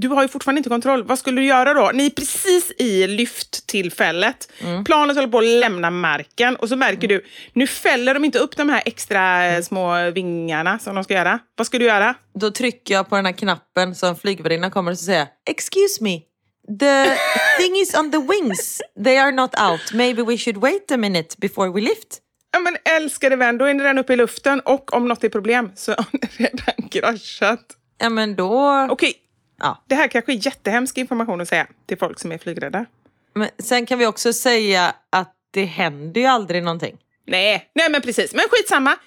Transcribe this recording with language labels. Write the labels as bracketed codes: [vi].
[sv] Du har ju fortfarande inte kontroll. Vad skulle du göra då? Ni är precis i lyfttillfället. Mm. Planet håller på att lämna marken. Och så märker du, nu fäller de inte upp de här extra små vingarna som de ska göra. Vad ska du göra? Då trycker jag på den här knappen som flygvärdinnan kommer och säger, [en] excuse me, the thing is on the wings. They are not out. Maybe we should wait a minute before we lift. [sv] Ja, men älskade vän, då är ni redan uppe i luften. Och om något är problem så har ni redan kraschat. Ja, men då... Okej, det här kanske är jättehemsk information att säga till folk som är flygrädda. Men sen kan vi också säga att det händer ju aldrig någonting. Nej, men precis. Men skitsamma.